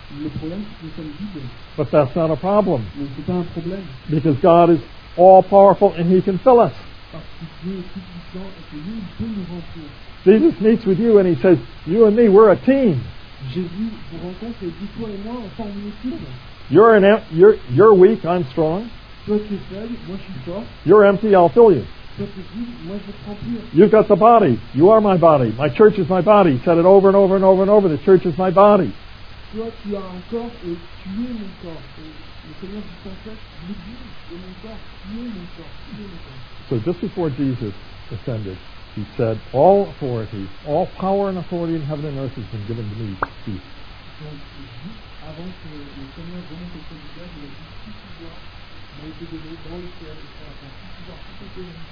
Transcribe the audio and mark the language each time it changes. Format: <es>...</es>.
<fr>Le problème, c'est que nous sommes vides.</fr> <en>But that's not a problem.</en> <fr>Mais c'est pas un problème.</fr> <en>Because God is all powerful and He can fill us.</en> <fr>Parce que Dieu est tout puissant et que lui peut nous remplir.</fr> <en>Jesus meets with you and He says, "You and me, we're a team."</en> <fr>Jésus vous rencontre et dit, toi et moi, on forme une équipe.</fr> <en>You're weak, I'm strong.</en> <fr>Toi tu es faible, moi je suis fort.</fr> <en>You're empty, I'll fill you.</en> <fr>Toi tu es vide, moi je te remplis.</fr> <en>You've got the body. You are my body. My church is my body. He said it over and over and over and over. The church is my body.</en> <fr>Toi, tu as un corps et tu es mon corps. Et le Seigneur dit en fait, l'Église est mon corps, tu es mon corps, tu es mon corps. So just before Jesus ascended, he said, all authority, all power and authority in heaven and earth has been given to me, Jesus. Donc, juste avant que le Seigneur remonte au ciel, il a dit, tout pouvoir m'a été donné dans le ciel, et ça, tout pouvoir, tout est donné.</fr>